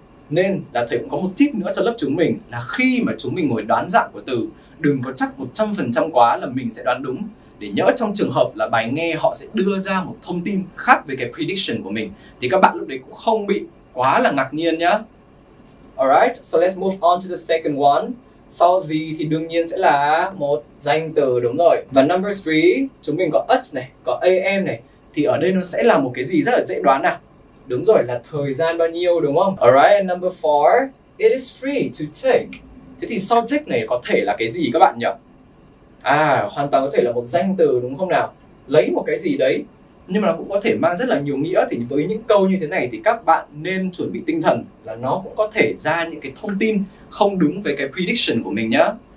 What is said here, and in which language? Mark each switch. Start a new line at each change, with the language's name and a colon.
Vietnamese: Nên là thầy cũng có một tip nữa cho lớp chúng mình là khi mà chúng mình ngồi đoán dạng của từ, đừng có chắc 100% quá là mình sẽ đoán đúng. Để nhớ trong trường hợp là bài nghe họ sẽ đưa ra một thông tin khác với cái prediction của mình thì các bạn lúc đấy cũng không bị quá là ngạc nhiên nhá.
English: Alright, so let's move on to the second one.
Vietnamese: Sau gì thì đương nhiên sẽ là một danh từ, đúng rồi. Và number 3, chúng mình có at này, có am này. Thì ở đây nó sẽ là một cái gì rất là dễ đoán nào. Đúng rồi, là thời gian bao nhiêu, đúng không?
English: Alright, and number 4, it is free to take.
Vietnamese: Thế thì subject này có thể là cái gì các bạn nhỉ? À, hoàn toàn có thể là một danh từ, đúng không nào? Lấy một cái gì đấy. Nhưng mà nó cũng có thể mang rất là nhiều nghĩa. Thì với những câu như thế này thì các bạn nên chuẩn bị tinh thần là nó cũng có thể ra những cái thông tin không đúng với cái prediction của mình nhá.